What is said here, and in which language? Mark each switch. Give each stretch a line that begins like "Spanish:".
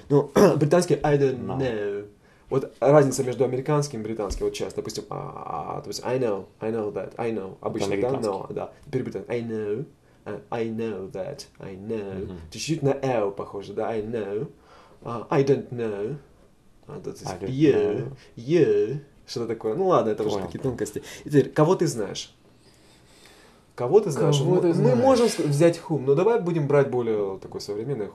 Russian: Но британский
English: I don't know.
Russian: Вот разница между американским и британским, вот сейчас, допустим, то есть
English: I know that.
Russian: Обычно, да, know, да. Теперь британский
English: I know that. Uh-huh.
Russian: Чуть-чуть на L похоже, да, I know.
English: I don't know.
Russian: То есть you. Что-то такое. Ну ладно, это уже такие тонкости. И теперь, кого ты знаешь? Кого ты знаешь? Мы можем взять whom, но давай будем брать более такой современный.